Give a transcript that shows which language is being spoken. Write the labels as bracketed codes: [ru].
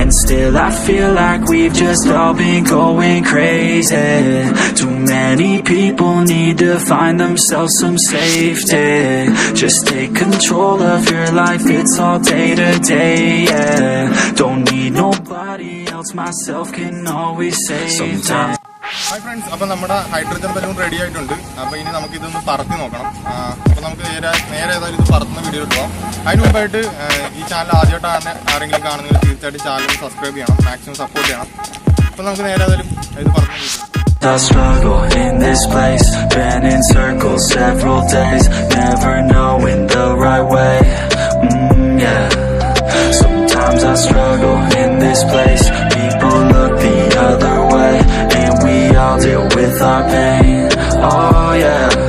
[en] And still I feel like we've just all been going crazy. Too many people need to find themselves some safety. Just take control of your life, it's all day to day, yeah. Don't need nobody else, myself can always save sometimes. [ml] Hi friends, അപ്പൊ നമ്മുടെ hydrogen balloon ready ആയിട്ടുണ്ട്. അപ്പൊ ഇനി നമുക്ക് ഇതൊന്ന് പറത്തി നോക്കണം. അപ്പൊ നമുക്ക് നേരെ ഏതായാലും ഇത് പറത്തുന്ന വീഡിയോ എടുക്കാം. അതിന് മുമ്പായിട്ട് ഈ ചാനൽ ആദ്യമായിട്ടാണ് ആരെങ്കിലും കാണുന്നത്, തീർച്ചയായിട്ടും ചാനൽ സബ്സ്ക്രൈബ് ചെയ്യണം, മാക്സിമം സപ്പോർട്ട് ചെയ്യണം. അപ്പൊ നമുക്ക് നേരെ ഏതായാലും ഇത് പറത്തുന്ന video. [en] I struggle in this place, been in circles several days, never knowing the right way, yeah. Sometimes I struggle in this place, people look the other way, and we all deal with our pain, oh yeah.